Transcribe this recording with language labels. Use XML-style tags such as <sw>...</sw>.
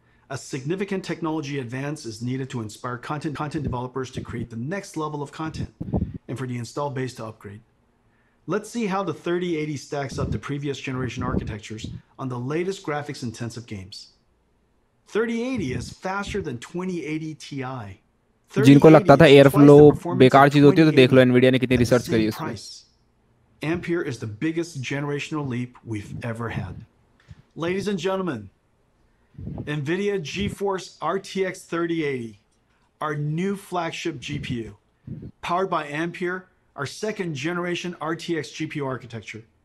<en>A significant technology advance is needed to inspire content developers to create the next level of content and for the install base to upgrade. Let's see how the 3080 stacks up to previous generation architectures on the latest graphics intensive games. 3080 is faster than 2080 Ti.</en> <hi>जिनको लगता था airflow बेकार चीज होती है तो देख लो Nvidia ने कितनी रिसर्च करी है इस पे।</hi> <en>Ampere is the biggest generational leap we've ever had. Ladies and gentlemen, NVIDIA GeForce RTX 3080, our new flagship GPU, powered by Ampere, our second generation RTX GPU architecture.</en>